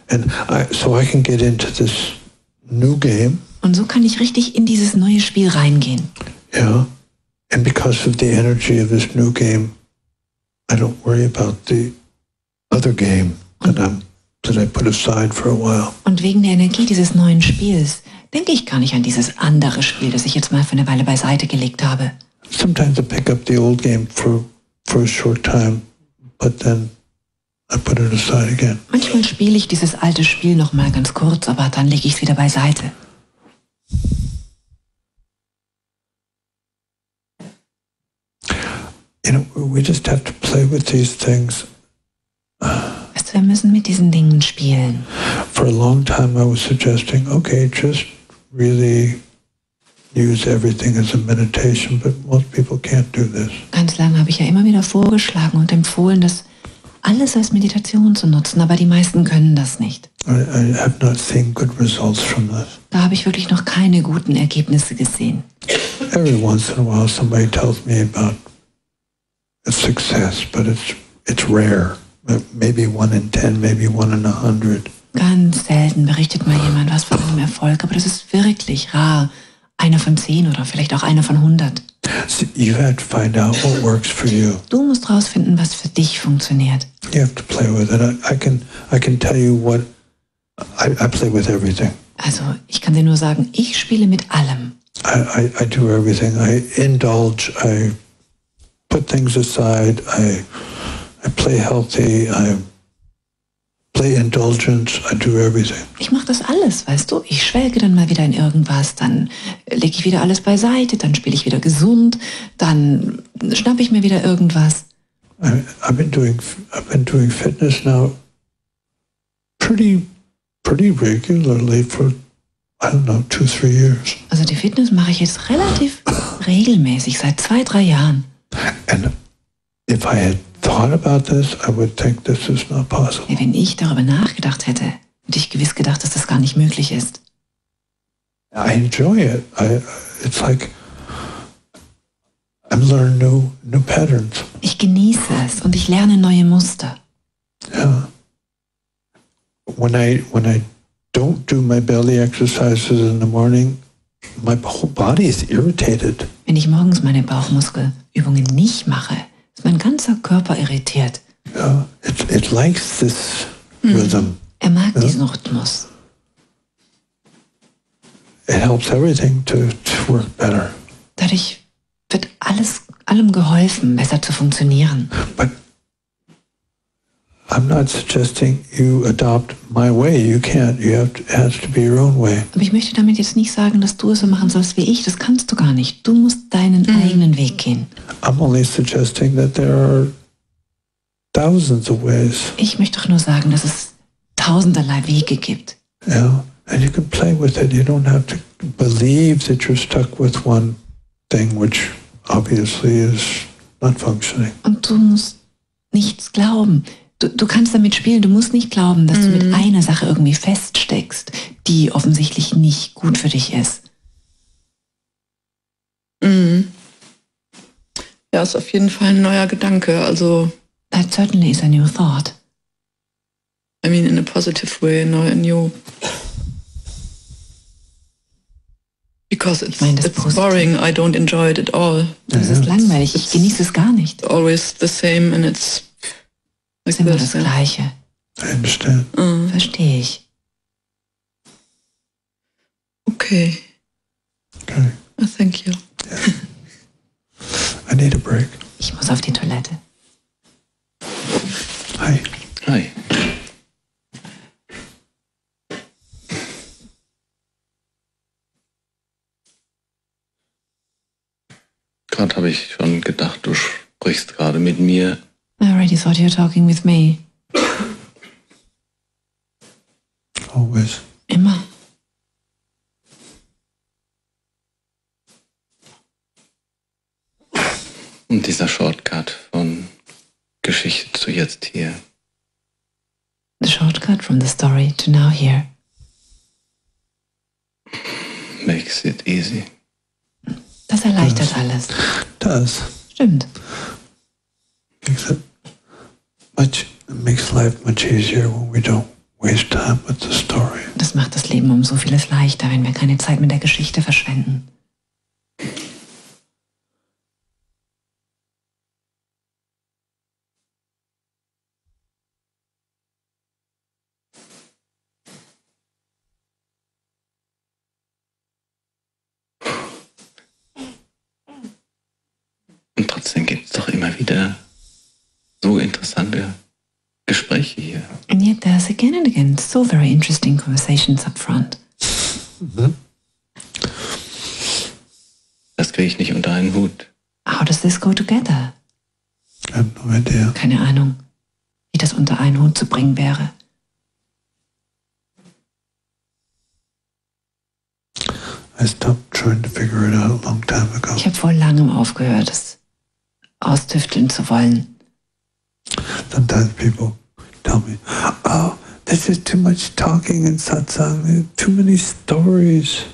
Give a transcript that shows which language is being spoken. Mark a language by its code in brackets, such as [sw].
[en] And I can get into this new game. [de] Und so kann ich richtig in dieses neue Spiel reingehen. [en] Yeah, and because of the energy of this new game, I don't worry about the other game that I put aside for a while. [de] Und wegen der Energie dieses neuen Spiels denke ich gar nicht an dieses andere Spiel, das ich jetzt mal für eine Weile beiseite gelegt habe. [en] Sometimes I pick up the old game for a short time, but then I put it aside again. [de] Manchmal spiele ich dieses alte Spiel noch mal ganz kurz, aber dann lege ich es wieder beiseite. [en] You know, we just have to play with these things. [de] Weißt du, wir müssen mit diesen Dingen spielen. [en] For a long time I was suggesting, okay, just really use everything as a meditation, but most people can't do this. [de] Ganz lange habe ich ja immer wieder vorgeschlagen und empfohlen, das alles als Meditation zu nutzen, aber die meisten können das nicht. [en] I have not seen good results from this. [de] Da habe ich wirklich noch keine guten Ergebnisse gesehen. [en] Every once in a while somebody tells me about a success, but it's rare. Maybe one in 10, maybe one in 100. [de] Ganz selten berichtet mal jemand was von einem Erfolg, aber das ist wirklich rar. Einer von 10 oder vielleicht auch einer von 100. [en] So you have to find out what works for you. [de] Du musst rausfinden, was für dich funktioniert. [en] You have to play with it. I can tell you what I play with everything. [de] Also, ich kann dir nur sagen, ich spiele mit allem. [en] I do everything. I indulge. I put things aside. I play healthy. I play indulgence, I do everything. [de] Ich mache das alles, weißt du? Ich schwelge dann mal wieder in irgendwas, dann lege ich wieder alles beiseite, dann spiele ich wieder gesund, dann schnappe ich mir wieder irgendwas. [en] I've been doing fitness now pretty regularly for, I don't know, 2-3 years. [de] Also die Fitness mache ich jetzt relativ regelmäßig, seit 2-3 Jahren. [en] And if I had thought about this, I would think this is not possible. [de] Ja, wenn ich darüber nachgedacht hätte, hätte ich gewiss gedacht, dass das gar nicht möglich ist. [en] I enjoy it. It's like I'm learning new patterns. [de] Ich genieße es und ich lerne neue Muster. [en] Yeah. When I don't do my belly exercises in the morning, my whole body is irritated. [de] Wenn ich morgens meine Bauchmuskelübungen nicht mache, ist mein ganzer Körper irritiert. [en] Yeah, it likes this rhythm. [de] Er mag diesen Rhythmus. [en] It helps everything to work better. [de] Dadurch wird allem geholfen, besser zu funktionieren. [en] But I'm not suggesting you adopt my way. You can't. You have to, it has to be your own way. [de] Aber ich möchte damit jetzt nicht sagen, dass du es so machen sollst wie ich. Das kannst du gar nicht. Du musst deinen eigenen Weg gehen. [en] I'm only suggesting that there are thousands of ways. [de] Ich möchte doch nur sagen, dass es tausenderlei Wege gibt. [en] Yeah, and you can play with it. You don't have to believe that you're stuck with one thing, which obviously is not functioning. [de] Und du musst nichts glauben. Du kannst damit spielen, du musst nicht glauben, dass du mit einer Sache irgendwie feststeckst, die offensichtlich nicht gut für dich ist. Mm. Ja, ist auf jeden Fall ein neuer Gedanke. Also, [en] that certainly is a new thought. I mean, in a positive way, not in you. Because it's boring, I don't enjoy it at all. [de] Das ist langweilig, ich genieße es gar nicht. [en] Always the same and it's... [de] Es ist immer das Gleiche. [en] I understand. [de] Verstehe ich. [en] Okay. Okay. Oh, thank you. Yeah. I need a break. [de] Ich muss auf die Toilette. [en] Hi. Hi. [de] Gerade habe ich schon gedacht, du sprichst gerade mit mir. [en] I already thought you were talking with me. Always. [de] Immer. Und dieser Shortcut von Geschichte zu jetzt hier. [en] The shortcut from the story to now here. Makes it easy. [de] Das erleichtert alles. [en] Does. [de] Stimmt. [en] Makes life much easier when we don't waste time with the story. [de] Das macht das Leben um so vieles leichter, wenn wir keine Zeit mit der Geschichte verschwenden. Und trotzdem gibt es doch immer wieder so interessante Gespräche hier. [en] And yet there's again and again so very interesting conversations up front. [de] Das kriege ich nicht unter einen Hut. [en] How does this go together? I have no idea. [de] Keine Ahnung, wie das unter einen Hut zu bringen wäre. [en] I stopped trying to figure it out a long time ago. [de] Ich habe vor langem aufgehört, es austüfteln zu wollen. [en] Sometimes people tell me, oh, this is too much talking in Satsang, too many stories.